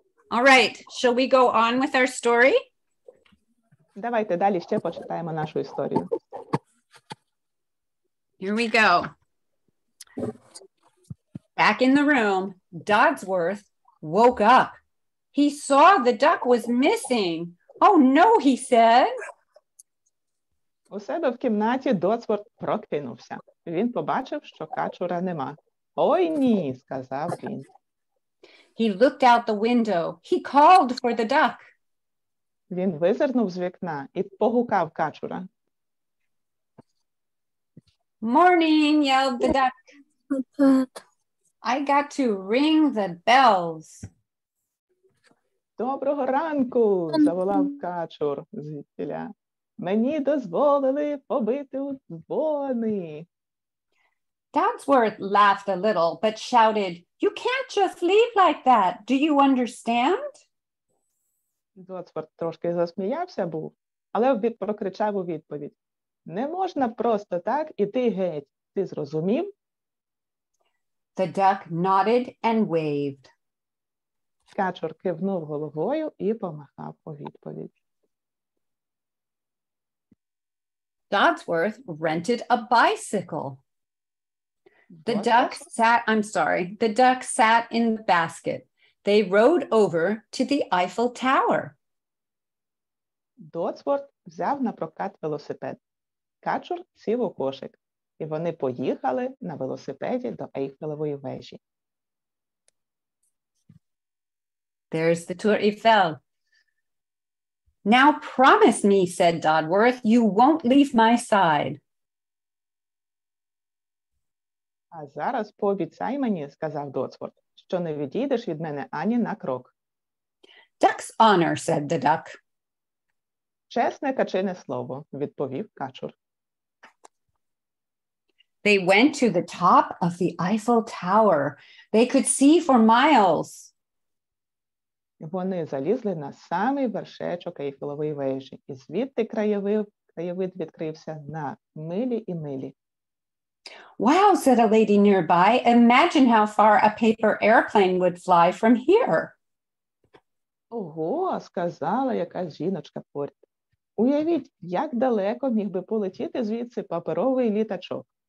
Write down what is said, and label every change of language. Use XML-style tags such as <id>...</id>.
<en>All right, shall we go on with our story?</en> <uk>Давайте далі ще почитаємо нашу історію.</uk> <en>Here we go. Back in the room, Dodsworth woke up. He saw the duck was missing. Oh no, he said.</en> <uk>У себе в кімнаті Додсворт прокинувся. Він побачив, що качура нема. Ой, ні, сказав він.</uk> <en>He looked out the window. He called for the duck.</en> <uk>Він визирнув з вікна і погукав качура.</uk> <en>Morning, yelled the duck. I got to ring the bells.</en> <uk>Доброго ранку, заволав качур звідтіля. Мені дозволили побити у дзвони.</uk> <en>Dodsworth laughed a little, but shouted, "You can't just leave like that. Do you understand?"</en> <uk>Dodsworth трошки засміявся був, але прокричав у відповідь, "Не можна просто так іти геть. Ти зрозумів?"</uk> <en>The duck nodded and waved.</en> <uk>Качур кивнув головою і помахав у відповідь.</uk> <en>Dodsworth rented a bicycle. The duck sat in the basket. They rode over to the Eiffel Tower.</en> <uk>Dodsworth взяв на прокат велосипед. Качур сів у кошик, і вони поїхали на велосипеді до Ейфелевої вежі.</uk> <en>There's the Tour Eiffel. Now promise me, said Dodworth, you won't leave my side.</en> <uk>А зараз пообіцяй мені, сказав Дотсворт, що не відійдеш від мене ані на крок.</uk> <en>Duck's honor, said the duck.</en> <uk>Чесне качене слово, відповів качур.</uk> <en>They went to the top of the Eiffel Tower. They could see for miles.</en> <uk>Вони залізли на самий вершечок Ейфелевої вежі, і звідти краєвид відкрився на милі і милі.</uk> <en>Wow, said a lady nearby, imagine how far a paper airplane would fly from here.</en> <uk>Ого, сказала якась жіночка поряд. Уявіть, як далеко міг би полетіти звідси паперовий літачок.</uk>